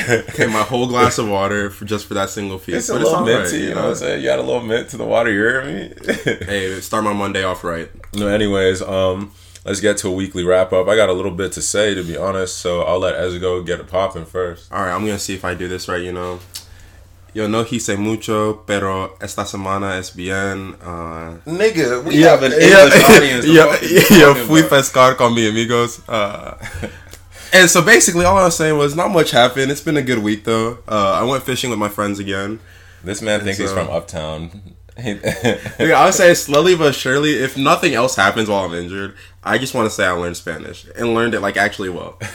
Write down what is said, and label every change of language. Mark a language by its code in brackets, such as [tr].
[en] Okay, my whole glass of water for just for that single piece. It's a little minty, right, you know what I'm saying? You add a little mint to the water, you hear me? Hey, start my Monday off right. No, anyways, let's get to a weekly wrap-up. I got a little bit to say, to be honest, so I'll let Ezigo get it popping first. All right, I'm going to see if I do this right, you know. [es] Yo no hice mucho, pero esta semana es bien. [en] Nigga, we have an English audience. [es] Yo, fui pescar con mi amigos. [en] And so basically, all I was saying was, not much happened. It's been a good week, though. I went fishing with my friends again. This man thinks he's from Uptown. Yeah, I would say slowly but surely, if nothing else happens while I'm injured, I just want to say I learned Spanish. And learned it, like, actually well.